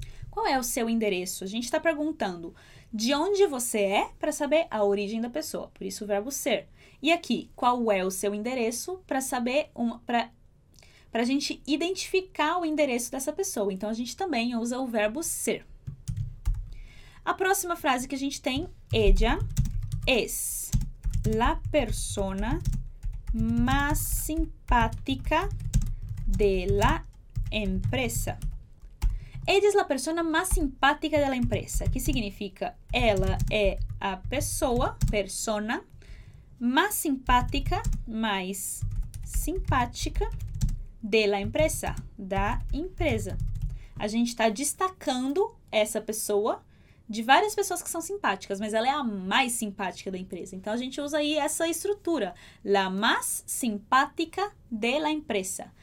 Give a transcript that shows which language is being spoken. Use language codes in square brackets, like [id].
[pt] Qual é o seu endereço? A gente está perguntando de onde você é para saber a origem da pessoa. Por isso, o verbo ser. E aqui, qual é o seu endereço para saber para a gente identificar o endereço dessa pessoa. Então, a gente também usa o verbo ser. A próxima frase que a gente tem, [es] ella es la persona más simpática de la empresa. Ella es la persona más simpática de la empresa. ¿Qué significa? Ella es la persona más simpática, más simpática de la empresa. [pt] Da empresa. A gente está destacando essa pessoa de várias pessoas que são simpáticas, mas ela é a mais simpática da empresa. Então, a gente usa aí essa estrutura. [es] La más simpática de la empresa.